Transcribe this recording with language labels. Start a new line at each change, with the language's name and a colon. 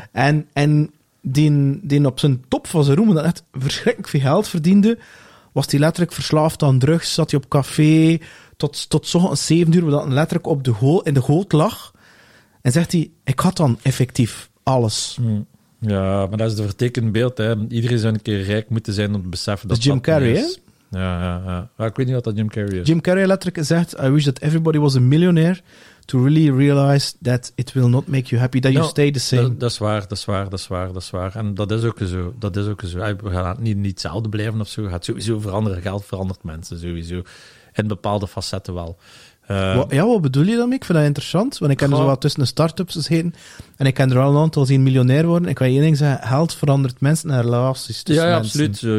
Dutch: En die op zijn top van zijn roem, dat echt verschrikkelijk veel geld verdiende, was hij letterlijk verslaafd aan drugs, zat hij op café, tot zo'n 7 uur, waar hij letterlijk in de goot lag. En zegt hij, ik had dan effectief alles. Hmm. Ja, maar dat is de vertekend beeld, hè. Iedereen zou een keer rijk moeten zijn om te beseffen dat Jim Carrey, is. Ja. Maar ik weet niet wat dat Jim Carrey is.
English: Jim Carrey
Dutch: letterlijk zegt,
English: I wish that everybody was a millionaire to really realize that it will not make you happy, that you stay the same.
Dutch: Dat is waar. En dat is ook zo. We gaan niet hetzelfde blijven of zo. Gaat sowieso veranderen. Geld verandert mensen sowieso. In bepaalde facetten wel. Wat bedoel je dan? Ik vind dat interessant. Want ik ken zo wat tussen de start-ups heen. En ik ken er al een aantal zien miljonair worden. Ik wil één ding zeggen, geld verandert mensen en relaties tussen mensen.